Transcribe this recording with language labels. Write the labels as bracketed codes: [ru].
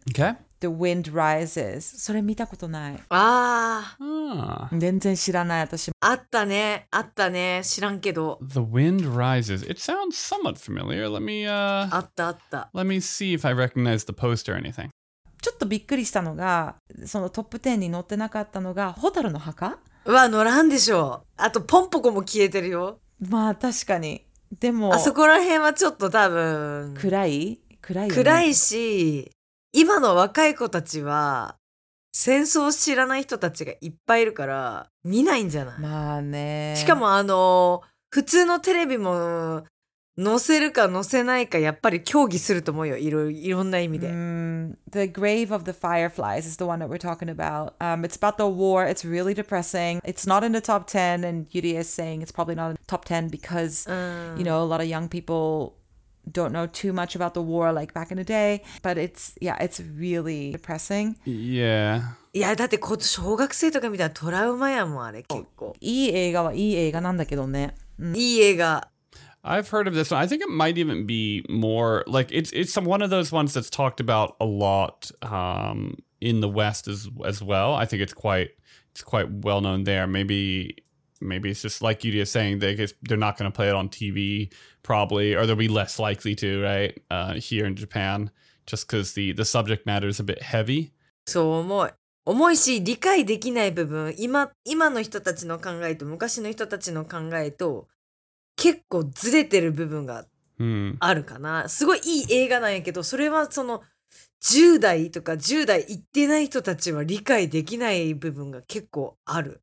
[en] Okay. The Wind Rises. [ja] それ見たことない。ああ。全然知らない私。あったね。あったね。知らんけど。 [en] The Wind Rises. It sounds somewhat familiar. Let me, [ja] あったあった。 [en] Let me see if I recognize the poster or anything. [ja] ちょっとびっくりしたのが、そのトップ10に載ってなかったのが、ホタルの墓？うわ、乗らんでしょう。あと、ポンポコも消えてるよ。まあ、確かに。でも、あそこら辺はちょっと多分、暗い？暗いよね。暗いし、今の若い子たちは戦争を知らない人たちがいっぱいいるから見ないんじゃない？まあね。しかも普通のテレビも載せるか載せないかやっぱり協議すると思うよ。いろんな意味で。 [en] The Grave of the Fireflies is the one that we're talking about. It's about the war. It's really depressing. It's not in the top 10 and Yuri is saying it's probably not in the top 10 because, you know, a lot of young people don't know too much about the war like back in the day, but it's really depressing. Yeah, [ja] だって小学生とか見たらトラウマやもん、あれ結構。いい映画はいい映画なんだけどね。いい映画。 [en] I've heard of this one. I think it might even be more like it's one of those ones that's talked about a lot in the West as well. I think it's quite well known there. Maybe it's just like Yudia saying, they're not going to play it on TV, probably, or they'll be less likely to, right, here in Japan, just because the subject matter is a bit heavy. [ja] そう思う。重いし、理解できない部分、今の人たちの考えと昔の人たちの考えと結構ずれてる部分があるかな。すごいいい映画なんやけど、それはその10代とか10代行ってない人たちは理解できない部分が結構ある。